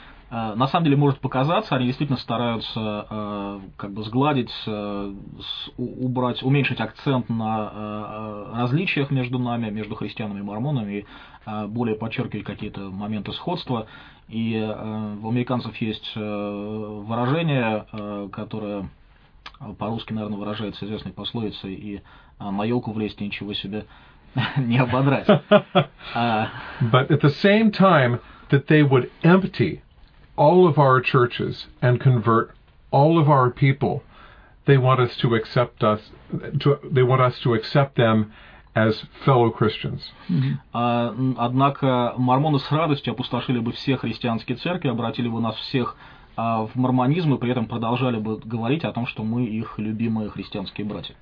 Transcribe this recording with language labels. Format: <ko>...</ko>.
<ru>На самом деле может показаться, они действительно стараются как бы сгладить, убрать, уменьшить акцент на различиях между нами, между христианами и мормонами, более подчеркивать какие-то моменты сходства. И у американцев есть выражение, которое по-русски, наверное, выражается известной пословицей, и на елку влезть ничего себе не ободрать.</ru> <en>But at the same time that they would empty all of our churches and convert all of our people, they want us to accept us, they want us to accept them as fellow Christians.</en> <ru>Однако мормоны с радостью опустошили бы все христианские церкви, обратили бы нас всех в мормонизм и при этом продолжали бы говорить о том, что мы их любимые христианские братья.</ru>